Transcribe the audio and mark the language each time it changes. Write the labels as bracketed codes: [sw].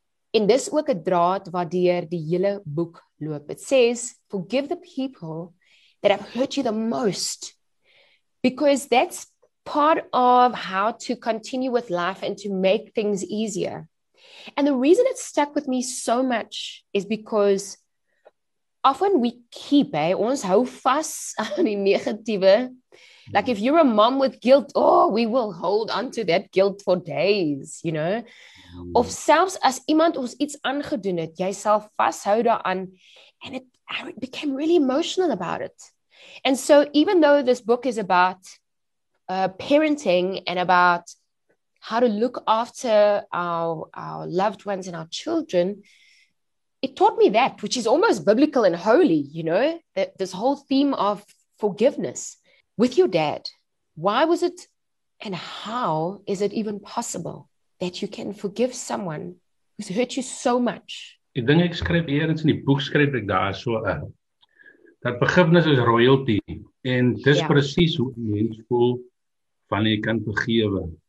[af] En dis ook 'n draad waardeur die hele boek loop. [en] It says, forgive the people that have hurt you the most, because that's part of how to continue with life and to make things easier. And the reason it stuck with me so much is because often we keep, ons hou vas aan die negatiewe. Like if you're a mom with guilt, oh, we will hold on to that guilt for days, you know. [af] Of selfs as iemand ons iets aangedoen het, jy sal vashou daaraan. [en] And it became really emotional about it. And so even though this book is about parenting and about how to look after our loved ones and our children, it taught me that, which is almost biblical and holy, you know, that this whole theme of forgiveness with your dad. Why was it and how is it even possible that you can forgive someone who's hurt you so much? [af] Ek dink ek skryf eers in die boek skryf ek daar so dat vergifnis is royalty en dis presies hoe mens voel wanneer jy kan vergewe.